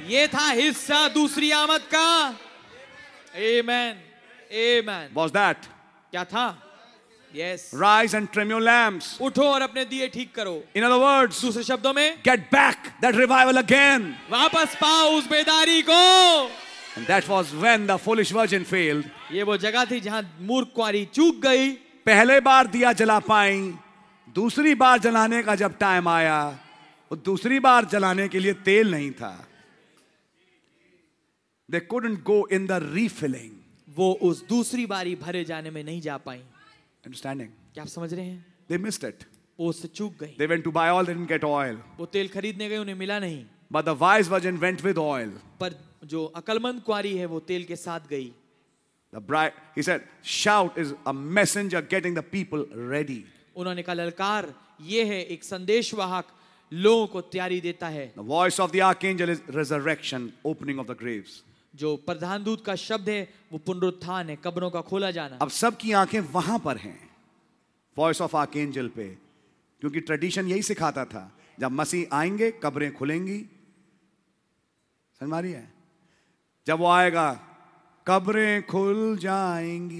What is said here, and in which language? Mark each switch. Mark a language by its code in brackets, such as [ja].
[hi] ये था हिस्सा दूसरी आमद का। Amen. Amen. [en] Was that? [hi] क्या था? Yes. [en] Rise and trim your lamps. [hi] उठो और अपने दिए ठीक करो। [en] In other words, [hi] दूसरे शब्दों में, [en] get back that revival again. [hi] वापस पाओ उस बेदारी को। [en] And that was when the foolish virgin failed. [hi] ये वो जगह थी जहां मूर्ख कुंवारी चूक गई। पहले बार दिया जला पाई, दूसरी बार जलाने का जब टाइम आया, वो दूसरी बार जलाने के लिए तेल नहीं था। [en] They couldn't go in the refilling. [hi] वो उस दूसरी बारी भरे जाने में नहीं जा पाई. [en] Understanding? [hi] क्या आप समझ रहे हैं? [en] They missed it. [hi] वो उससे चूक गए. [en] They went to buy oil, didn't get oil. [hi] वो तेल खरीदने गए, उन्हें मिला नहीं. [en] But the wise virgin went with oil. [hi] पर जो अकलमंद कुंवारी है वो तेल के साथ गई. [en] The bride, he said, shout is a messenger getting the people ready. [hi] उन्होंने कहा ललकार ये है एक संदेशवाहक लोगों को तैयारी देता है. [en] The voice of the archangel is resurrection, opening of the graves. [hi] जो प्रधान दूत का शब्द है वो पुनरुत्थान है, कब्रों का खोला जाना. अब सबकी आंखें वहां पर हैं, [en] voice of archangel [hi] पे, क्योंकि ट्रेडिशन यही सिखाता था जब मसीह आएंगे कब्रें खुलेंगी. समझ है? जब वो आएगा कब्रें खुल जाएंगी.